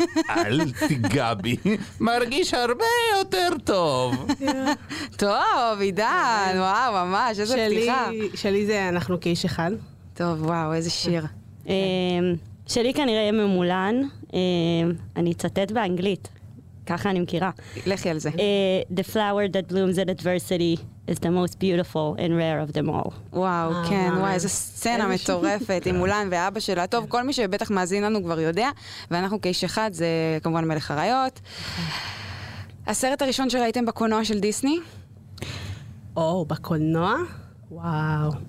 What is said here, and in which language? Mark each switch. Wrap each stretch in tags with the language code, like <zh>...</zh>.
<he>אל תיגע בי, מרגיש הרבה יותר טוב. טוב, עידן, וואו, ממש, איזה פתיחה. שלי זה אנחנו כאיש אחד. טוב, וואו, איזה שיר. שלי כנראה ממולן, אני אצטט באנגלית, ככה אני מכירה. לכי על זה.</he> <en>The flower that blooms in adversity is the most beautiful and rare of them all.</en> <he>וואו, כן, וואי, איזה סצנה מטורפת עם מולן ואבא שלה. טוב, כל מי שבטח מאזין לנו כבר יודע, ואנחנו כאיש אחד, זה כמובן מלך הריות. הסרט הראשון שראיתם בקולנוע של דיסני? או, בקולנוע? וואו.</he>